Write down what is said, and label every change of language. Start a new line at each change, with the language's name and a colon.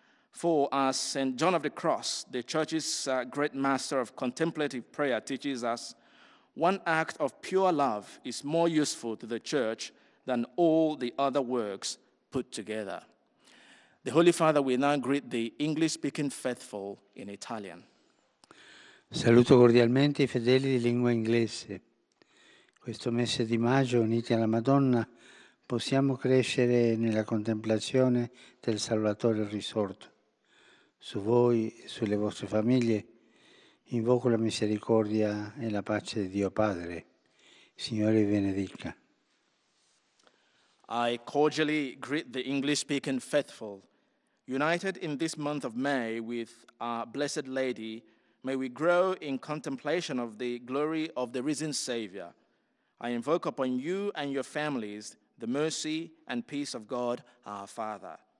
English: For as St. John of the Cross, the Church's great master of contemplative prayer, teaches us, one act of pure love is more useful to the Church than all the other works put together. The Holy Father will now greet the English-speaking faithful in Italian.
Italian: Saluto cordialmente i fedeli di lingua inglese. Questo mese di maggio, uniti alla Madonna, possiamo crescere nella contemplazione del Salvatore risorto. Su voi e sulle vostre famiglie invoco la misericordia e la pace di Dio Padre. Signore benedica.
English: I cordially greet the English-speaking faithful. United in this month of May with our Blessed Lady, may we grow in contemplation of the glory of the risen Savior. I invoke upon you and your families the mercy and peace of God our Father.